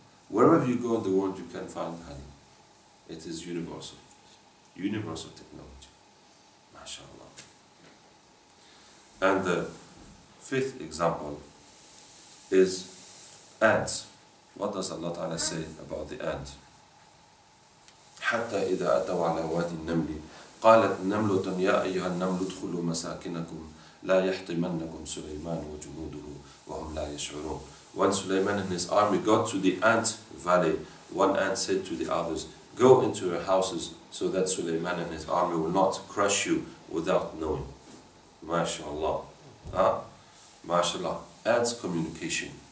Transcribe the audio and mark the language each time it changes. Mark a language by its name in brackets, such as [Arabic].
[English] Wherever you go in the world, you can find honey. It is universal. Universal technology. MashaAllah. And the fifth example is ants. What does Allah Ta'ala say about the ant? [Arabic] حَتَّى إِذَا أَتَوْا عَلَى وَادِ النَّمْلِ قالت نملة يا أيها النمل ادخلوا مساكنكم لا يحطمنكم سليمان وجنوده وهم لا يشعرون. [English] When Sulaiman and his army got to the ant valley, one ant said to the others, go into your houses so that Sulaiman and his army will not crush you without knowing. MashaAllah. Huh? MashaAllah. Ants communication.